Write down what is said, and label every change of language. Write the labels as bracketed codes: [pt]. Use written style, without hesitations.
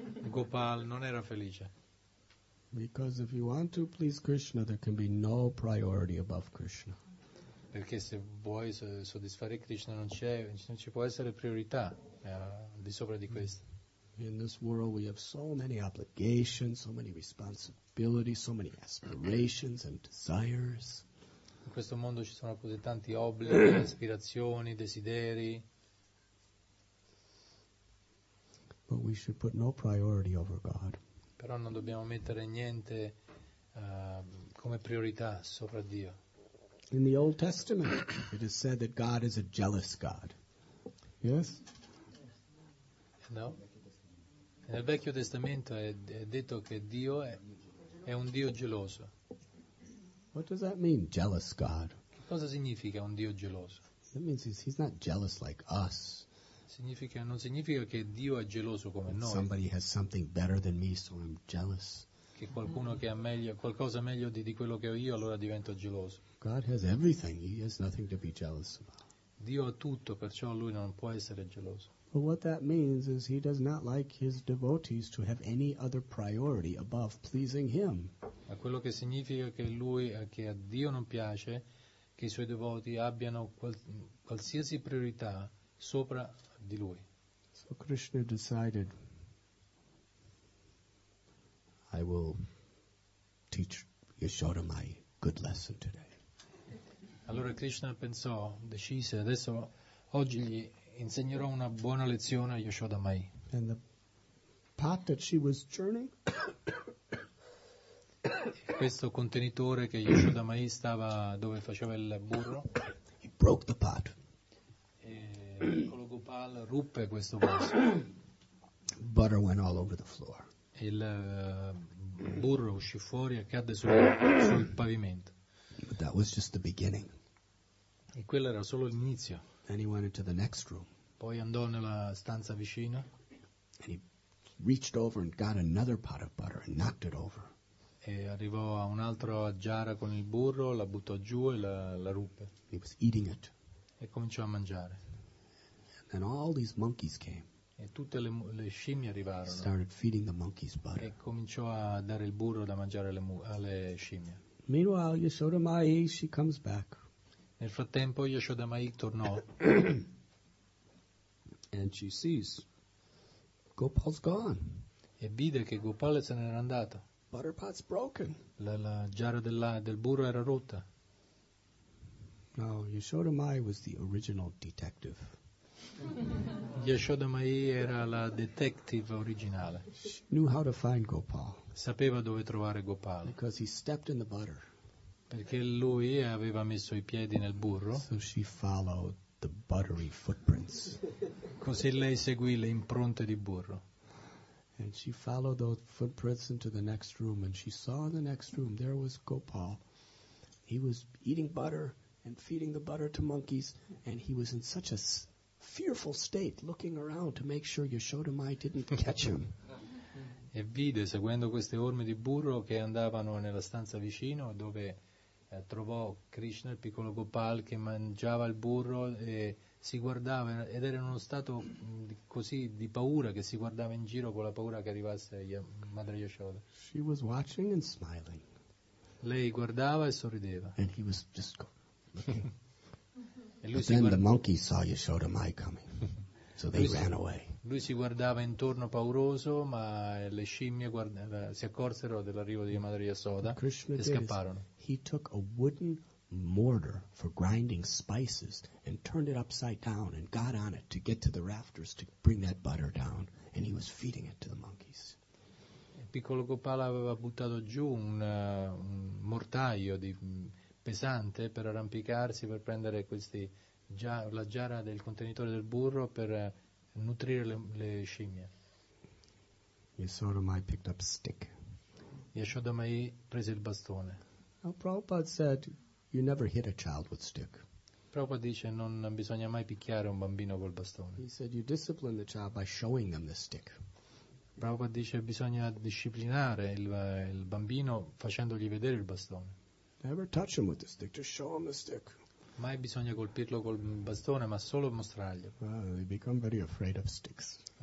[it] Gopal non era felice. [en] Because if you want to please Krishna, there can be no priority above Krishna. [it] Perché se vuoi soddisfare Krishna non ci può essere priorità al di sopra di questo. [en] In this world we have so many obligations, so many responsibilities, so many aspirations and desires. [it] In questo mondo ci sono così tanti obblighi, aspirazioni, desideri. [en] But we should put no priority over God. [it] Però non dobbiamo mettere niente come priorità sopra Dio. [en] In the Old Testament it is said that God is a jealous God. Yes? No. [it] Nel Vecchio Testamento è detto che Dio è un Dio geloso. [en] What does that mean, jealous God? [it] Che cosa significa un Dio geloso? [en] That means he's not jealous like us. [it] Non significa che Dio è geloso come noi. [en] Somebody has something better than me, so I'm jealous. [it] Che qualcuno che ha meglio, qualcosa meglio di quello che ho io, allora divento geloso. [en] God has everything. He has nothing to be jealous about. [it] Dio ha tutto, perciò lui non può essere geloso. [en] But what that means is he does not like his devotees to have any other priority above pleasing him. [it] Ma quello che significa che lui, che a Dio non piace che i suoi devoti abbiano qualsiasi priorità sopra di lui. [en] So Krishna decided, I will teach Yashoda my good lesson today. [it] Allora Krishna pensò, decise, adesso oggi gli insegnerò una buona lezione a Yashoda Mai. [en] And the pot that she was churning. [it] Questo contenitore che Yashoda Mai stava dove faceva il burro. [en] He broke the pot. [it] E Kolo Gopal ruppe questo vaso. [en] Butter went all over the floor. [it] Il burro uscì fuori e cadde sul pavimento. [en] But that was just the beginning. [it] E quello era solo l'inizio. [en] Then he went into the next room. [it] Poi andò nella stanza vicina. [en] And he reached over and got another pot of butter and knocked it over. [it] E arrivò a un'altra giara con il burro, la buttò giù e la ruppe. [en] He was eating it. [it] E cominciò a mangiare. [en] And then all these monkeys came. [it] E tutte le scimmie arrivarono. [en] He started feeding the monkeys butter. [it] E cominciò a dare il burro da mangiare alle scimmie. [en] Meanwhile, Yashoda Mai, she comes back. [it] Nel frattempo Yashoda Mai tornò. [en] And she sees Gopal's gone. [it] E vide che Gopal se n'era andato. [en] Butter pot's broken. [it] La giara del burro era rotta. [en] No, Yashoda Mai was the original detective. [it] Yashoda Mai era la detective originale. [en] She knew how to find Gopal. [it] Sapeva dove trovare Gopal. [en] Because he stepped in the butter. [it] Perché lui aveva messo i piedi nel burro. [en] So she followed the buttery footprints. [it] Così lei seguì le impronte di burro. [en] And she followed those footprints into the next room, and she saw in the next room there was Gopal. He was eating butter and feeding the butter to monkeys, and he was in such a fearful state, looking around to make sure Yashoda Mai didn't catch him. [it] E vide, seguendo queste orme di burro che andavano nella stanza vicino, dove trovò Krishna, il piccolo Gopal, che mangiava il burro e si guardava, ed era in uno stato così di paura che si guardava in giro con la paura che arrivasse Madre Yashoda. [en] She was watching and smiling. [it] Lei guardava e sorrideva. [en] And he was just going, okay. Then the monkey saw Yashoda Mai coming, so they ran away. [it] Lui si guardava intorno pauroso, ma le scimmie si accorsero dell'arrivo di Madre Yashoda e scapparono. [en] He took a wooden mortar for grinding spices and turned it upside down and got on it to get to the rafters to bring that butter down, and he was feeding it to the monkeys. [it] Il piccolo Gopala aveva buttato giù un mortaio pesante per arrampicarsi, per prendere la giara del contenitore del burro per nutrire le scimmie. [en] Yashoda Mai picked up a stick. [it] Yashoda Mai prese il bastone. [en] Now, Prabhupada said, you never hit a child with stick. [it] Prabhupada dice non bisogna mai picchiare un bambino col bastone. [en] He said you discipline the child by showing them the stick. [it] Prabhupada dice bisogna disciplinare il bambino facendogli vedere il bastone. [en] Never touch him with the stick, just show him the stick. [it] mai bisogna colpirlo col bastone, ma solo mostrarglielo. [en] Well, they become very afraid of sticks.